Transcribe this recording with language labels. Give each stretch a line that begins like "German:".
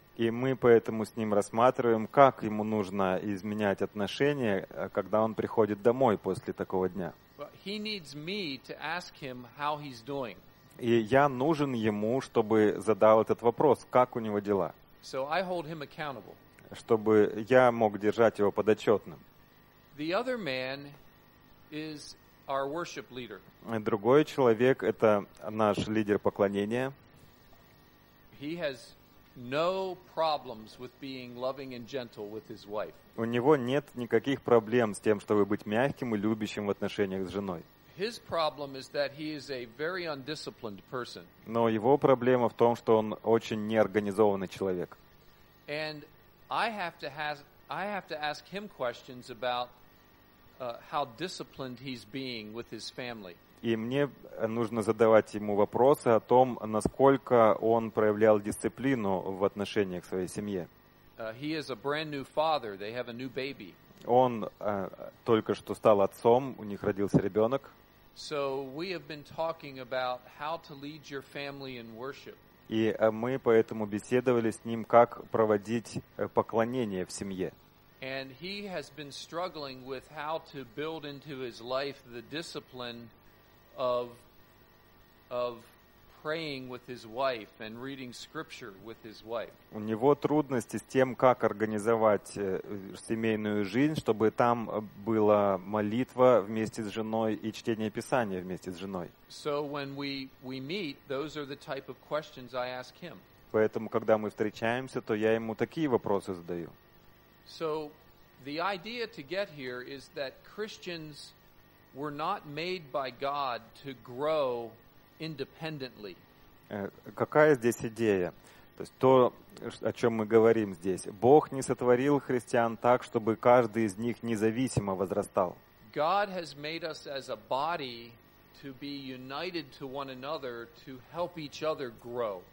Russian: И мы поэтому с ним рассматриваем, как ему нужно изменять отношения, когда он приходит домой после такого дня.
English: But he needs me to ask him how he's doing.
Russian: И я нужен ему, чтобы задал этот вопрос, как у него дела.
English: So I hold him accountable.
Russian: Чтобы я мог держать его подотчетным.
English: The other man is our worship leader.
Russian: Другой человек – это наш лидер поклонения.
English: He has no problems with being loving and gentle with his wife.
Russian: У него нет никаких проблем с тем, чтобы быть мягким и любящим в отношениях с женой.
English: His problem is that he is a very undisciplined person.
Russian: Но его проблема в том, что он очень неорганизованный человек.
English: And I have to ask him questions about how disciplined he's being with his family.
Russian: И мне нужно задавать ему вопросы о том, насколько он проявлял дисциплину в отношениях к своей семье.
English: He is a brand new father. They have a new baby.
Russian: Он только что стал отцом, у них родился ребенок.
English: So we have been talking about how to lead your family in worship.
Russian: И мы поэтому беседовали с ним, как проводить поклонение в семье.
English: And he has been struggling with how to build into his life the discipline of praying with his wife and reading scripture with his wife.
Russian: У него трудности с тем, как организовать семейную жизнь, чтобы там была молитва вместе с женой и чтение Писания вместе с женой.
English: So when we meet, those are the type of questions I ask him.
Russian: Поэтому когда мы встречаемся, то я ему такие вопросы задаю.
English: So the idea to get here is that Christians were not made by God to grow independently.
Russian: Какая здесь идея? То есть то, о чем мы говорим здесь. Бог не сотворил христиан так, чтобы каждый из них независимо возрастал.
English: God has made us as a body to be united to one another to help each other grow.